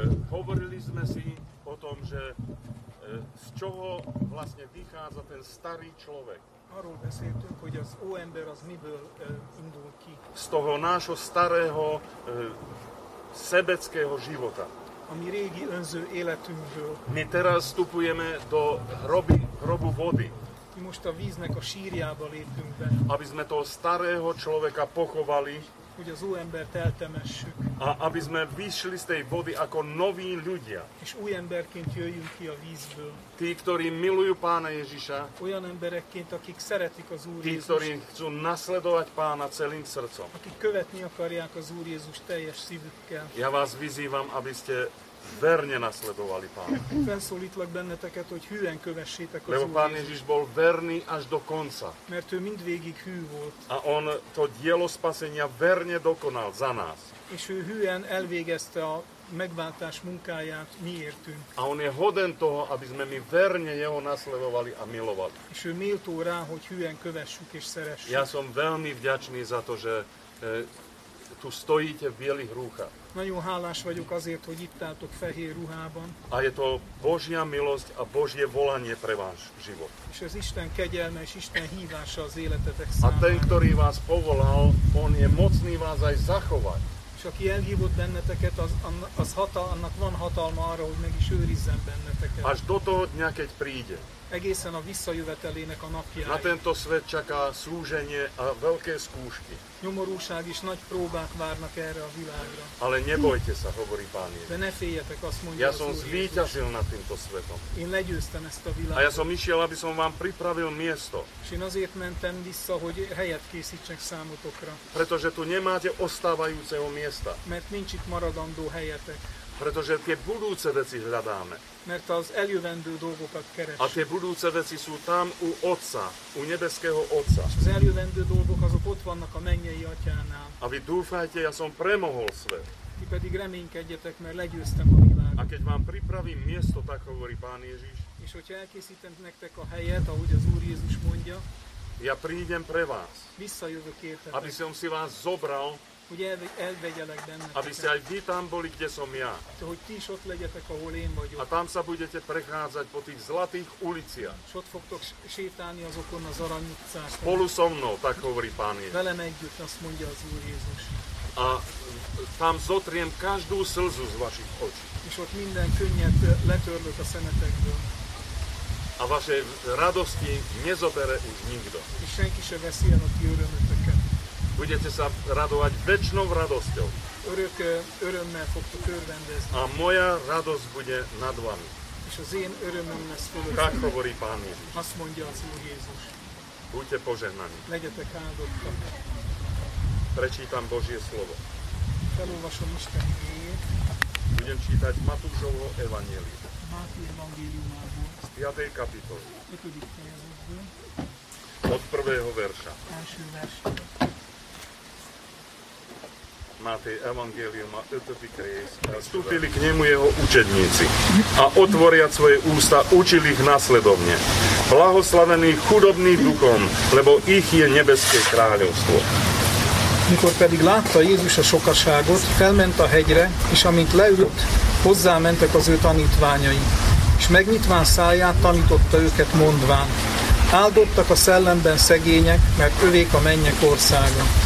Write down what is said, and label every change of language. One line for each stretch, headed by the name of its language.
Slovak: hovorili sme si o tom, že z čoho vlastne vychádza ten starý človek.
Hungarian: Arról beszéltünk, hogy az ember az miből indul ki.
Slovak: Z toho nášho starého sebeckého života.
Hungarian: A mi régi önző életünkből.
Slovak: My teraz vstupujeme do hrobu vody.
Hungarian: I most a víznek a sírjába lépünk be.
Slovak: Aby sme toho starého človeka pochovali.
Hungarian: Hogy az újembert eltemessük.
Slovak: A aby sme vyšli z tej vody ako noví ľudia.
Hungarian: És új emberként jöjjünk ki a vízből.
Slovak: Tí, ktorí milujú Pána Ježiša.
Hungarian: Olyan emberekként, akik szeretik az Úr Jézust.
Slovak: Tí, ktorí chcú nasledovať Pána celým srdcom.
Hungarian: Akik követni akarják az Úr Jézust teljes szívükkel.
Slovak: Ja vás vyzývam, aby ste verne nasledovali Pána.
Hungarian: Felszólítlak benneteket, hogy hűen kövessétek az Úr
Slovak: Jézust. Lebo Pán Ježiš bol verný až do konca.
Hungarian: Mert ő mindvégig hű volt.
Slovak: A on to dielo spasenia verne dokonal za nás.
Hungarian: És ő hűen elvégezte a megváltás munkáját miértünk.
Slovak: A on je hoden toho, aby sme mi verne jeho nasledovali a milovali.
Hungarian: És ő méltó rá, hogy hűen kövessük és szeressük.
Slovak: Ja som veľmi vďačný za to, že tu stojíte v bielých rúchach.
Hungarian: Nagyon hálás vagyok azért, hogy itt álltok fehér ruhában.
Slovak: A je to Božia milosť a Božie volanie pre váš život.
Hungarian: És ez Isten kegyelme és Isten hívása az életetek számára.
Slovak: A ten, ktorý vás povolal, on je mocný vás aj zachovať.
Hungarian: És aki elhívott benneteket, az annak van hatalma arra, hogy meg is őrizzen benneteket.
Slovak: Až do toho dňa, keď príde.
Hungarian: Egészen a visszajövetelének a napjáig.
Slovak: Na tento svet čaká súženie a veľké skúšky.
Hungarian: Nyomorúság és nagy próbák várnak erre a világra.
Slovak: Ale nebojte sa, hovorí Pán Ježiš.
Hungarian: De ne féljetek, azt mondja
Slovak: ja az som zvíťazil nad týmto svetom.
Hungarian: Én legyőztem ezt a világot.
Slovak: A ja som išiel, aby som vám pripravil miesto.
Hungarian: És én azért mentem vissza, hogy helyet készítsek számotokra.
Slovak: Pretože tu nemáte ostávajúceho miesta.
Hungarian: Mert nincs itt maradandó helyetek.
Slovak: Pretože tie budúce veci hľadáme.
Hungarian: Mert az eljövendő dolgokat keresünk.
Slovak: A tie budúce veci sú tam u Otca, u nebeského Otca.
Hungarian: Az eljövendő dolgok azok ott vannak a mennyei atyánál.
Slovak: A vy dúfajte, ja som premohol svet.
Hungarian: Ti pedig reménykedjetek, mert legyőztem a világot.
Slovak: A keď vám pripravím miesto, tak hovorí Pán Ježiš.
Hungarian: És hogyha elkészítem nektek a helyet, ahogy az Úr Jézus mondja.
Slovak: Ja prídem pre vás.
Hungarian: Visszajövök értetek.
Slovak: Aby som si vás zobral.
Hungarian: Hogy elvegyelek benneteket.
Slovak: Aby ste aj vy tam boli, kde som ja.
Hungarian: Hogy ti is ott legyetek, ahol én vagyok.
Slovak: A tam sa budete prechádzať po tých zlatých uliciach.
Hungarian: És ott fogtok sétálni azokon az arany utcákon.
Slovak: Spolu so mnou, tak hovorí Pán Ježiš.
Hungarian: Velem együtt, azt mondja az Úr Jézus.
Slovak: A tam zotriem každú slzu z vašich očí.
Hungarian: És ott minden könnyet letörlök a szemetekből.
Slovak: A vaše radosti nezobere už nikto.
Hungarian: És senki se veszi el a ti örömöteket.
Slovak: Budete sa radovať večnou radosťou.
Hungarian: Örömmel fogtok örvendezni.
Slovak: A moja radosť bude nad vami.
Hungarian: És az én örömöm lesz fölöttem.
Slovak: Tak hovorí Pán Ježiš.
Hungarian: Azt mondja az Úr Jézus.
Slovak: Buďte požehnaní.
Hungarian: Legyetek áldottak.
Slovak: Prečítam Božie slovo.
Hungarian: Felolvasom Isten igéjét.
Slovak: Budem čítať Matúšovo evanjelium.
Hungarian: Máté evangéliumából.
Slovak: Z 5. kapitoly.
Hungarian: 5. fejezetből.
Slovak: Od 1. verša.
Hungarian: Első verstől. Máté evangélium a 5. rész.
Slovak: Vstúpili k nemu jeho učedníci a otvoriac svoje ústa učili ich nasledovne. Blahoslavený chudobný duchom, lebo ich je nebeské kráľovstvo.
Hungarian: Mikor pedig látta Jézus a sokaságot, felment a hegyre, és amint leült, hozzá mentek az ő tanítványai. És megnyitván száját tanította őket mondván. Áldottak a szellemben szegények, mert övék a mennyek országa.